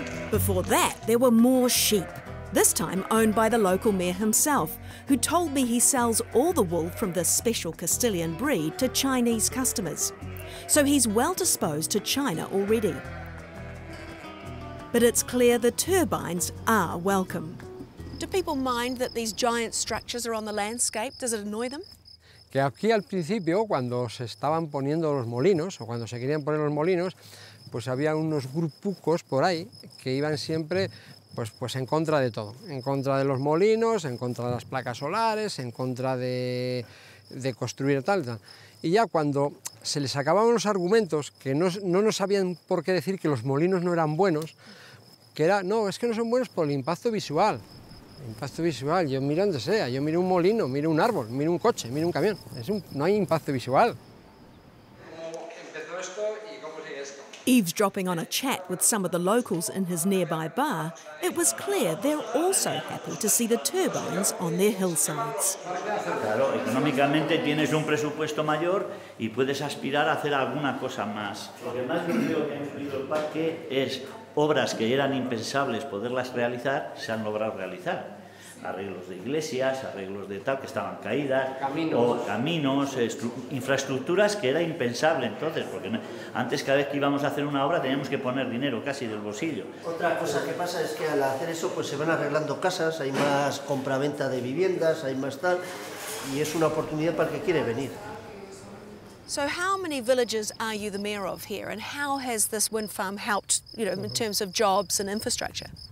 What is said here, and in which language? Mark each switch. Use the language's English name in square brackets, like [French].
[English] Before that, there were more sheep, this time owned by the local mayor himself, who told me he sells all the wool from this special Castilian breed to Chinese customers. So he's well disposed to China already. But it's clear the turbines are welcome. Do people mind that these giant structures are on the landscape? Does it annoy them? [Spanish] Que aquí al principio, cuando se estaban poniendo los molinos, o cuando se querían poner los molinos, pues había unos grupucos por ahí que iban siempre pues en contra de todo, en contra de los molinos, en contra de las placas solares, en contra de construir tal. Y ya cuando se les acababan los argumentos, que no nos sabían por qué decir que los molinos no eran buenos, que era, no, es que no son buenos por el impacto visual. El impacto visual, yo miro donde sea, yo miro un molino, miro un árbol, miro un coche, miro un camión. No hay impacto visual. [English] Eavesdropping on a chat with some of the locals in his nearby bar, it was clear they're also happy to see the turbines on their hillsides. [Spanish] Claro, económicamente tienes un presupuesto mayor y puedes aspirar a hacer alguna cosa más. Lo que más creo que ha influido el parque es obras que eran impensables poderlas realizar, se han logrado realizar. Arreglos de iglesias, arreglos de tal que estaban caídas, caminos, infraestructuras que era impensable entonces, porque antes cada vez que íbamos a hacer una obra teníamos que poner dinero casi del bolsillo. Otra cosa que pasa es que al hacer eso pues se van arreglando casas, hay más compraventa de viviendas, hay más tal, y es una oportunidad para el que quiere venir. [English] So how many villages are you the mayor of here, and how has this wind farm helped, you know, in terms of jobs and infrastructure?